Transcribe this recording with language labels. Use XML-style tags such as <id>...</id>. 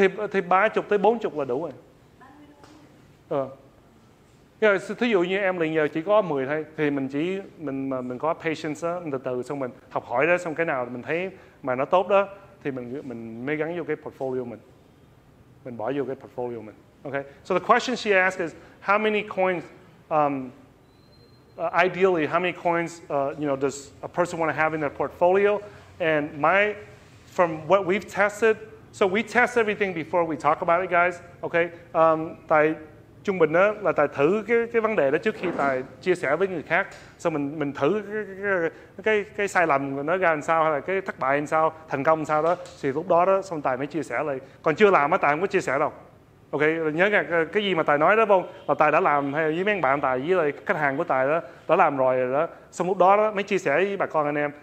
<vi>Thì 30 tới 40 là đủ rồi. Thí dụ như em liền giờ chỉ có 10 thôi, thì mình có patience đó, từ từ xong mình học hỏi đó, xong cái nào mình thấy mà nó tốt đó thì mình mới gắn vô cái portfolio mình. Mình bỏ vô cái portfolio mình.</vi> <en>Okay. So the question she asked is how many coins ideally how many coins you know does a person want to have in their portfolio? And from what we've tested, so we test everything before we talk about it, guys. Okay.</en> <vi>Tại trung bình đó là Tài thử cái vấn đề đó trước khi Tài chia sẻ với người khác, xong mình thử cái sai lầm của nó ra làm sao, hay là cái thất bại làm sao, thành công làm sao đó, thì lúc đó đó xong Tài mới chia sẻ lại. Còn chưa làm á, Tài không có chia sẻ đâu. Ok, nhớ cái gì mà Tài nói đó không, là Tài đã làm hay với mấy bạn Tài, với lại khách hàng của Tài đó đã làm rồi đó, xong lúc đó đó mới chia sẻ với bà con anh em.</vi>